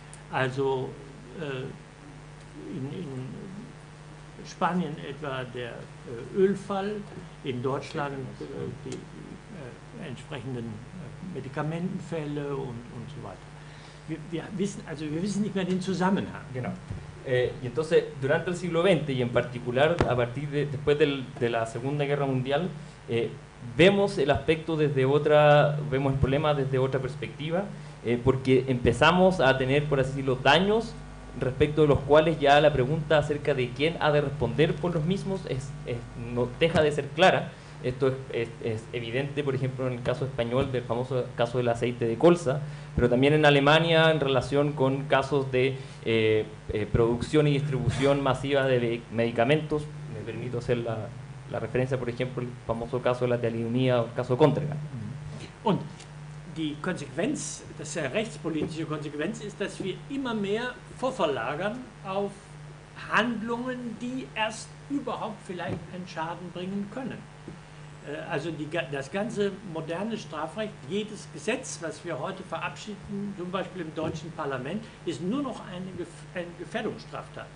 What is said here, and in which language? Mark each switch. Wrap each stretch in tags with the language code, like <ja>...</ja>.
<de>Also in Spanien etwa der Ölfall, in Deutschland die entsprechenden Medikamentenfälle und so weiter. Wir wissen nicht mehr den Zusammenhang. Genau.</de> <es>Y entonces, durante el siglo XX, y en particular, después de la Segunda Guerra Mundial, vemos el aspecto desde otra, vemos el problema desde otra perspectiva, porque empezamos a tener, por así decirlo, daños respecto de los cuales ya la pregunta acerca de quién ha de responder por los mismos no deja de ser clara. Esto es evidente, por ejemplo, en el caso español del famoso caso del aceite de colza, pero también en Alemania en relación con casos de producción y distribución masiva de medicamentos. Me permito hacer la referencia, por ejemplo, el famoso caso de la talidomida o el caso Contregan.</es> <de>Und die Konsequenz, das ist eine rechtspolitische Konsequenz, ist, dass wir immer mehr vorverlagern auf Handlungen, die erst überhaupt vielleicht einen Schaden bringen können. Also das ganze moderne Strafrecht, jedes Gesetz, was wir heute verabschieden, zum Beispiel im deutschen Parlament, ist nur noch eine Gefährdungsstraftat.</de>